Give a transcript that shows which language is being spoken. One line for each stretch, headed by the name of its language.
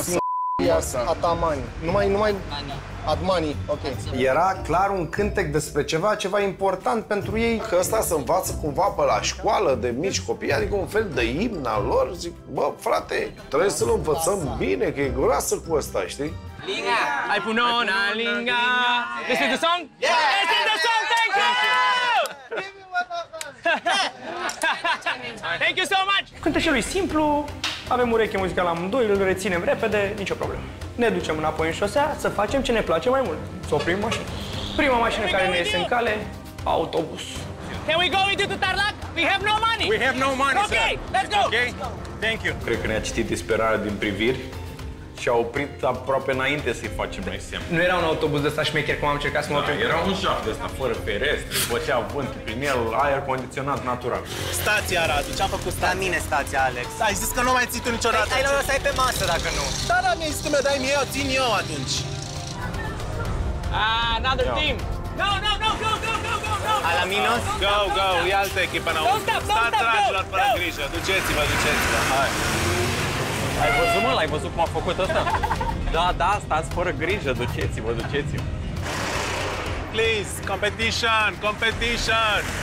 Romanian: Sibuias Atamani. Numai... Admani, ok. Era clar un cântec despre ceva, ceva important pentru ei. Că ăsta se învață cumva pe la școală de mici copii, adică un fel de imn al lor. Zic, bă, frate, trebuie să-l învățăm bine, că e groasă cu ăsta, știi?
English: Linga. I put on a linga. This is the song? Yeah. This is the song, thank you! Thank you so much!
Romanian: Cântecelul e simplu, avem ureche muzicală amândoi, îl reținem repede, nicio problemă. Ne ducem înapoi în șosea să facem ce ne place mai mult. Să oprim mașina. Prima mașină care ne iese în cale, autobus.
English: Can we go with you to Tarlac? We have no money! We have no money, sir! Okay, let's go! Okay, thank you!
Romanian: Cred că ne-a citit disperarea din priviri. Și a oprit aproape înainte să-i facem noi seama. Nu era un autobuz de ăsta șmecher, cum am încercat să mă opresc? Era un șaf de ăsta, fără ferestre, bătea vântul prin el, aer condiționat natural. Stația, Radu, ce-am făcut stația? La mine stația, Alex. Ai zis că nu mai ții tu niciodată. Hai, hai, stai pe masă dacă nu. Da, da, mi-ai zis că mi-o dai mie, eu țin eu atunci.
English: Ah, another team. No, no, no, go, go, go, go, go. A la minus? Go, go, go, go.
Romanian: E altă echipă în auzit. Stop, stop, stop, stop, fără grijă. Duceți-vă, duceți-vă. Hai. Ai văzut, mă? L-ai văzut cum a făcut ăsta? Da, da, stați fără grijă, duceți-vă, duceți-vă.
English: Please, competition, competition!